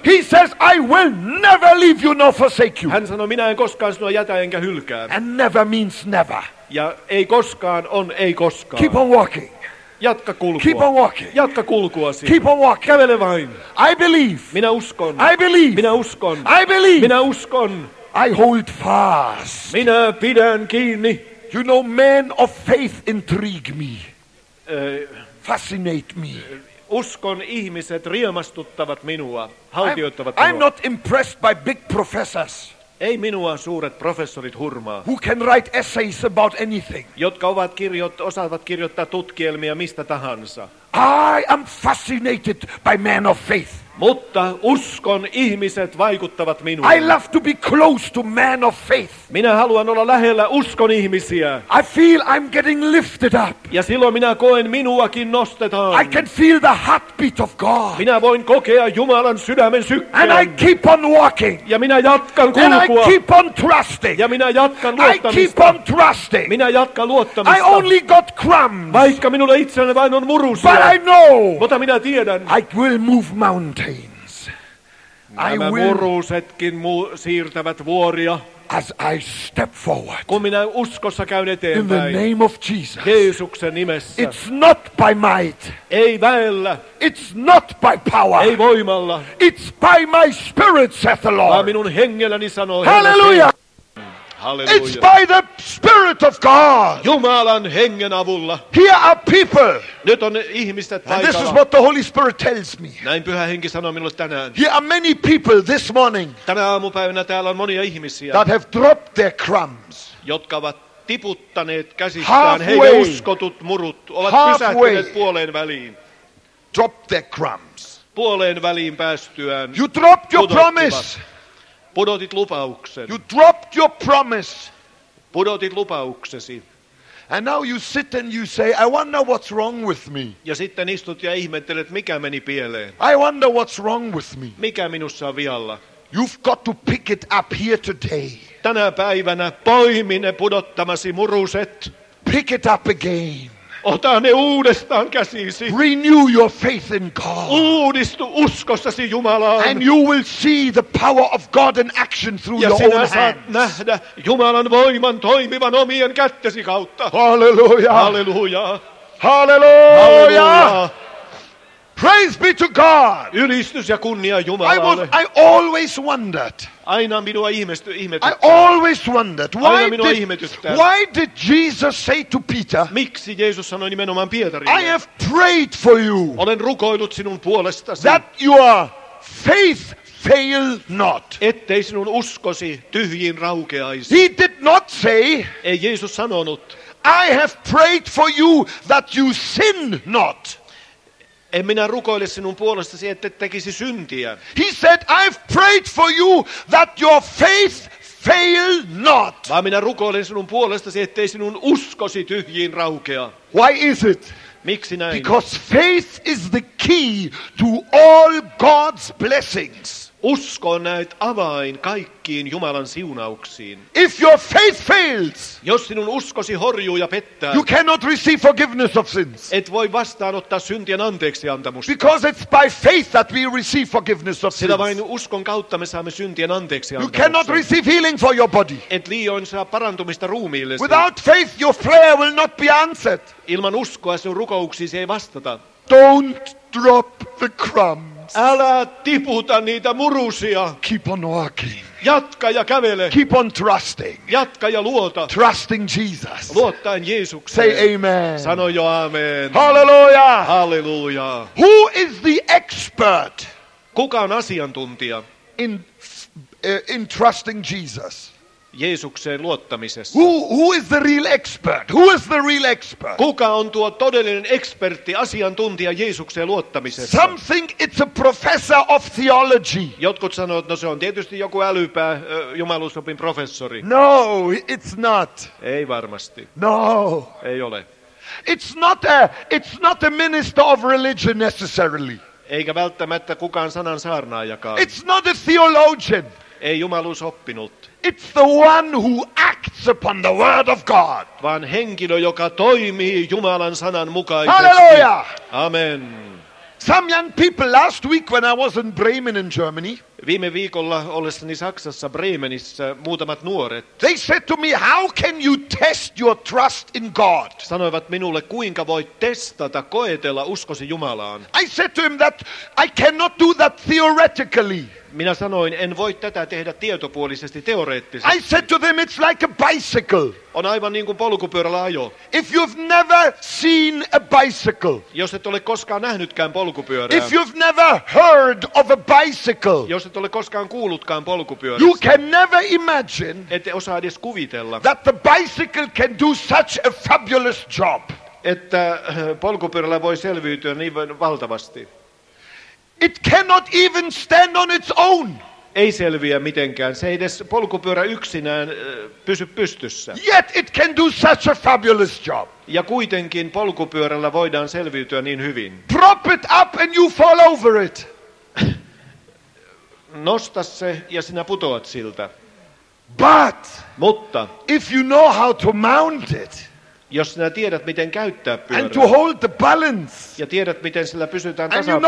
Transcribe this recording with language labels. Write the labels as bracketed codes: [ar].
[en] He says, I will never leave you nor forsake you. [fi] Hän sanoi, minä en koskaan sinua jätä enkä hylkää. [en] And never means never. [fi] Ja ei koskaan on ei koskaan. [en] Keep on walking. [fi] Jatka kulkua. [en] Keep on walking. [fi] Jatka kulkuasi. [en] Keep on walking. [fi] Kävele vain. [en] I believe. [fi] Minä uskon. [en] I believe. [fi] Minä uskon. [en] I believe. [fi] Minä uskon. [en] I hold fast. [fi] Minä pidän kiinni. [en] You know, men of faith intrigue me. Fascinate me. [fi] Uskon ihmiset riemastuttavat minua, haltioittavat [en] minua. I'm not impressed by big professors. [fi] Ei minua suuret professorit hurmaa. [en] Who can write essays about anything. [fi] Jotka ovat osaavat kirjoittaa tutkielmia mistä tahansa. [en] I am fascinated by men of faith. [fi] Mutta uskon ihmiset vaikuttavat minuun. [en] I love to be close to men of faith. [fi] Minä haluan olla lähellä uskon ihmisiä. [en] I feel I'm getting lifted up. [fi] Ja silloin minä koen minuakin nostetaan. [en] I can feel the heartbeat of God. [fi] Minä voin kokea Jumalan sydämen sykkeen. [en] And I keep on walking. [fi] Ja minä jatkan kulkua. [en] And I keep on trusting. [fi] Ja minä jatkan luottamista. [en] I keep on trusting. [fi] Minä jatkan luottamista. [en] I only got crumbs. [fi] Vaikka minulla itselläni vain on murusia. [en] But I know. [fi] Mutta minä tiedän. [en] I will move mountains. [fi] Nämä murusetkin siirtävät vuoria. [en] as I step forward. [fi] Kun minä uskossa käyn eteenpäin. [en] In the name of Jesus. [fi] Jeesuksen nimessä. [en] It's not by might. [fi] Ei väellä. [en] It's not by power. [fi] Ei voimalla. [en] It's by my spirit, saith the Lord. [fi] Vaan minun hengelläni sanoo. [en] Hallelujah. [fi] Hallelujah. [en] It's by the Spirit of God. [fi] Jumalan hengen avulla. [en] Here are people. [fi] Nyt on ihmiset paikalla. [en] And this is what the Holy Spirit tells me. [fi] Näin Pyhä Henki sanoo minulle tänään. [en] Here are many people this morning. [fi] Tänä aamupäivänä täällä on monia ihmisiä. [en] That have dropped their crumbs. [fi] Jotka ovat tiputtaneet käsistään. Heidän uskotut murut ovat pysähtyneet puoleen väliin. [en] Dropped their crumbs. [fi] Puoleen väliin päästyään. [en] You dropped your promise. [fi] Pudotit lupauksen. [en] You dropped your promise. [fi] Pudotit lupauksesi. [en] And now you sit and you say, I wonder what's wrong with me. [fi] Ja sitten istut ja ihmettelet, mikä meni pieleen. [en] I wonder what's wrong with me. [fi] Mikä minussa on vialla. [en] You've got to pick it up here today. [fi] Tänä päivänä poimi ne pudottamasi muruset. [en] Pick it up again. [fi] Ota ne uudestaan käsiisi. [en] Renew your faith in God. [fi] Uudistu uskossasi Jumalaan. [en] And you will see the power of God in action through [fi] ja [en] your own hands. [fi] Ja sinä saat nähdä Jumalan voiman toimivan omien kättesi kautta. Halleluja. Halleluja. [en] Halleluja. Praise be to God. [fi] Ylistys ja kunnia Jumalalle. [en] I always wondered. [fi] Aina minua ihmetyttää. [en] I always wondered. Why [fi] minua ihmetyttää. [en] Why did Jesus say to Peter? [fi] Miksi Jeesus sanoi nimenomaan Pietarille? [en] I have prayed for you. [fi] Olen rukoillut sinun puolestasi. [en] That your faith fail not. [fi] Ettei sinun uskosi tyhjiin raukeaisi. [en] He did not say. [fi] Ei Jeesus sanonut. [en] I have prayed for you that you sin not. [fi] En minä rukoile sinun puolestasi, ette tekisi syntiä. [en] He said, I've prayed for you that your faith fail not. [fi] Vaan minä rukoilen sinun puolestasi, ettei sinun uskosi tyhjiin raukea. [en] Why is it? [fi] Miksi näin? [en] Because faith is the key to all God's blessings. [fi] Usko on näet avain kaikkiin Jumalan siunauksiin. [en] If your faith fails, [fi] jos sinun uskosi horjuu ja pettää, [en] you cannot receive forgiveness of sins. [fi] Et voi vastaanottaa syntien anteeksiantamusta. [en] Because it's by faith that we receive forgiveness of sins. [fi] Sillä vain uskon kautta me saamme syntien anteeksiantamusta. [en] You cannot receive healing for your body. [fi] Et liioin saa parantumista ruumiillesi. [en] Without faith, your prayer will not be answered. [fi] Ilman uskoa sinun rukouksiisi ei vastata. [en] Don't drop the crumbs. [fi] Älä tiputa niitä murusia. [en] Keep on walking. [fi] Jatka ja kävele. [en] Keep on trusting. [fi] Jatka ja luota. [en] Trusting Jesus. [fi] Luottaen Jeesukseen. [en] Say amen. [fi] Sano jo amen. [en] Hallelujah. [fi] Hallelujah. [en] Who is the expert? [fi] Kuka on asiantuntija? [en] In trusting Jesus. [fi] Jeesukseen luottamisessa. [en] Who is the real expert? Who is the real expert? [fi] Kuka on tuo todellinen ekspertti, asiantuntija Jeesukseen luottamisessa? [en] Something, it's a professor of theology. [fi] Jotkut sanovat, no se on tietysti joku älypää, jumalusopin professori. [en] No, it's not. [fi] Ei varmasti. [en] No. [fi] Ei ole. [en] It's not a minister of religion necessarily. [fi] Eikä välttämättä kukaan sanan saarnaajakaan. [en] It's not a theologian. [fi] Ei jumaluus oppinut. [en] It's the one who acts upon the word of God. [fi] Vaan henkilö, joka toimii Jumalan sanan mukaisesti. [en] Hallelujah. [fi] Amen. [en] Some young people last week when I was in Bremen in Germany. [fi] Viime viikolla ollessani Saksassa Bremenissä muutamat nuoret. [en] They said to me, how can you test your trust in God? [fi] Sanoivat minulle, kuinka voit testata, koetella uskosi Jumalaan. [en] I said to him that I cannot do that theoretically. [fi] Minä sanoin, en voi tätä tehdä tietopuolisesti, teoreettisesti. [en] I said to them, it's like a bicycle. [fi] On aivan niin kuin polkupyörällä ajo. [en] If you've never seen a bicycle. [fi] Jos et ole koskaan nähnytkään polkupyörää. [en] If you've never heard of a bicycle. [fi] Jos et ole koskaan kuullutkaan polkupyörästä. [en] You can never imagine. [fi] Ette osaa edes kuvitella. [en] That the bicycle can do such a fabulous job. [fi] Että polkupyörällä voi selviytyä niin valtavasti. [en] It cannot even stand on its own. [fi] Ei selviä mitenkään. Se ei edes polkupyörä yksinään pysy pystyssä. [en] Yet it can do such a fabulous job. [fi] Ja kuitenkin polkupyörällä voidaan selviytyä niin hyvin. [en] Prop it up and you fall over it. [fi] Nosta se ja sinä putoat siltä. [en] But [fi] mutta [en] if you know how to mount it. [fi] Jos sinä tiedät, miten käyttää pyörää. [en] And to hold the balance. [fi] Ja tiedät, miten sillä pysytään tasapainossa.